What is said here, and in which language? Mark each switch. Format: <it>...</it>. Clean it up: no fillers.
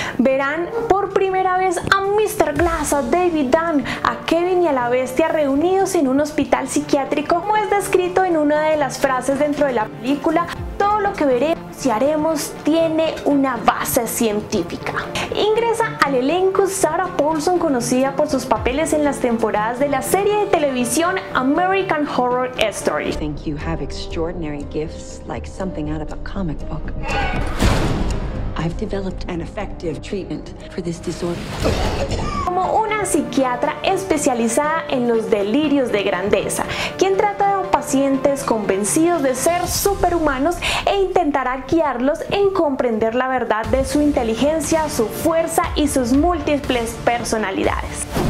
<es>Verán por primera vez a Mr. Glass, a David Dunn, a Kevin y a la Bestia reunidos en un hospital psiquiátrico, como es descrito en una de las frases dentro de la película. Todo lo que veremos y haremos tiene una base científica. Ingresa al elenco Sarah Paulson, conocida por sus papeles en las temporadas de la serie de televisión American Horror Story.</es> <en>Think you have extraordinary gifts, like something out of a comic book. I've developed an effective treatment for this disorder.</en> <es>Como una psiquiatra especializada en los delirios de grandeza, quien trata de pacientes convencidos de ser superhumanos e intentará guiarlos en comprender la verdad de su inteligencia, su fuerza y sus múltiples personalidades.</es>